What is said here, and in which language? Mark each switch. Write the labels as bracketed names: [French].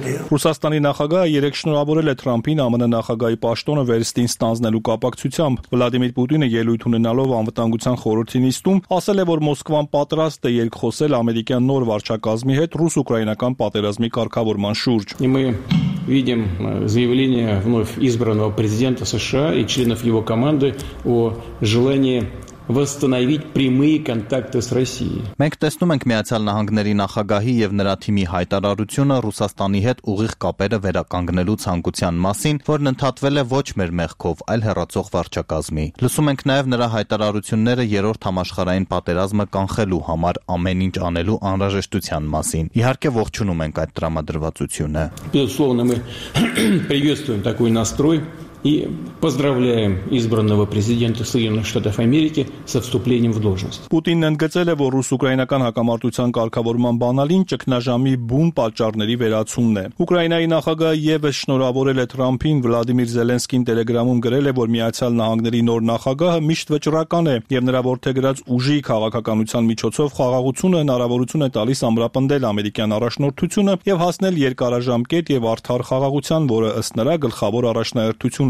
[Armenian] Ռուսաստանի նախագահը երեք շնորհավորել է Թրամփին ԱՄՆ նախագահի պաշտոնը վերստին ստանձնելու կապակցությամբ։ Վլադիմիր Պուտինը ելույթ ունենալով անվտանգության խորհրդի նիստում ասել է, որ Մոսկվան պատրաստ է երկխոսել ամերիկյան նոր վարչակազմի հետ ռուս-ուկրաինական պատերազմի կարգավորման շուրջ։ [Russian] Видим заявление вновь избранного президента США и членов его команды о желании восстановить прямые контакты с Россией. [Armenian] Մենք տեսնում ենք Միացյալ Նահանգների նախագահի եւ նրա թիմի հայտարարությունը Ռուսաստանի հետ ուղիղ կապերը վերականգնելու ցանկության մասին, որն ընդհատվել է ոչ մեր մեղքով, այլ հերացող վարչակազմի։ Լսում ենք նաեւ նրա հայտարարությունները երրորդ համաշխարհային պատերազմը կանխելու համար ամեն ինչ անելու անհրաժեշտության մասին։ Իհարկե ողջունում ենք այդ տրամադրվածությունը։ [Russian] Безусловно, мы приветствуем такой настрой. И поздравляем избранного президента Соединенных Штатов Америки со вступлением в должность. [Armenian] Путин ընդգծել է, որ ռուս-ուկրաինական հակամարտության կարգավորման բանալին ճգնաժամի բուն պատճառների վերացումն է։ Ուկրաինայի նախագահ ևս շնորհավորել է Թրամփին, Վլադիմիր Զելենսկին Telegram-ում գրել է, որ Միացյալ Նահանգների նոր նախագահը միշտ վճռական է եւ նրա որդեգրած ուժի քաղաքականության միջոցով խաղաղությունը հնարավորություն է տալիս ամրապնդել ամերիկյան առաջնորդությունը եւ հասնել երկարաժամկետ եւ արդար խաղաղության, որը ըստ նրա գլխավոր առաջնահերթություն